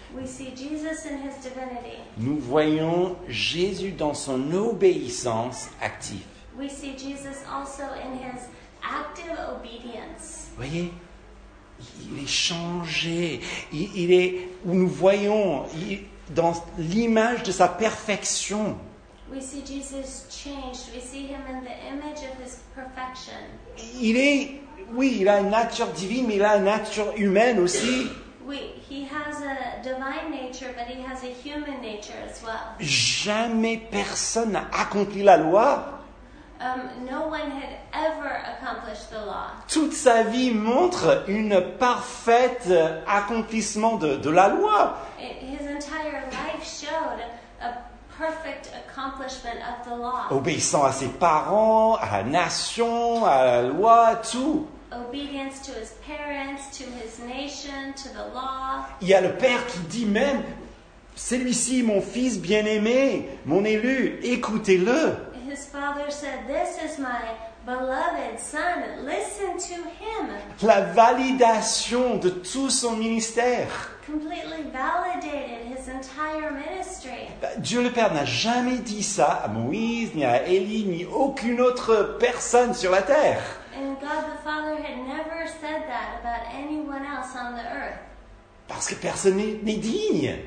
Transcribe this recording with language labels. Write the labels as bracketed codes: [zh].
[en] We see Jesus in his divinity. [fr] Nous voyons Jésus dans son obéissance active. [en] We see Jesus also in his active obedience. [fr] Vous voyez, il est changé. Il est, nous voyons dans l'image de sa perfection. [en] We see Jesus changed. We see him in the image of his perfection. [fr] Il est, oui, il a une nature divine, mais il a une nature humaine aussi. [en] he has a divine nature, but he has a human nature as well. [fr] Jamais personne n'a accompli la loi. [en] No one had ever accomplished the law. [fr] Toute sa vie montre une parfaite accomplissement de la loi. [en] His entire life showed a perfect accomplishment of the law. [fr] Obéissant à ses parents, à la nation, à la loi, tout. [en] Obedience to his parents, to his nation, to the law. [fr] Il y a le père qui dit même, c'est lui-ci mon fils bien-aimé, mon élu, écoutez-le. [en] His father said, this is my beloved son, listen to him. [fr] La validation de tout son ministère. [en] Completely validated his entire ministry. [fr] Dieu le Père n'a jamais dit ça à Moïse, ni à Élie, ni aucune autre personne sur la terre. [en] And God the Father had never said that about anyone else on the earth. [fr] Parce que personne n'est digne.